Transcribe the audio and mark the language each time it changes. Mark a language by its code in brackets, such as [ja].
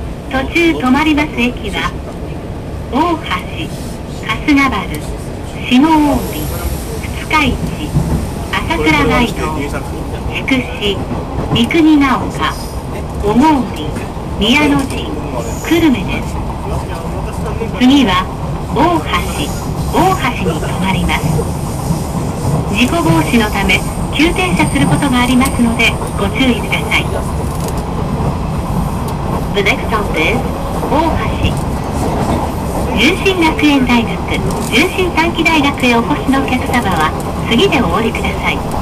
[ja] 途中止まります駅は大橋、春日丸、下大井、二日市、朝倉街道、筑紫、三国ヶ丘、小郡、宮の陣、久留米です。次は大橋に止まります。事故防止のため急停車することがありますのでご注意ください。 [en] The next stop is 大橋。 [ja] 純真学園大学、純真短期大学へお越しのお客様は次でお降りください。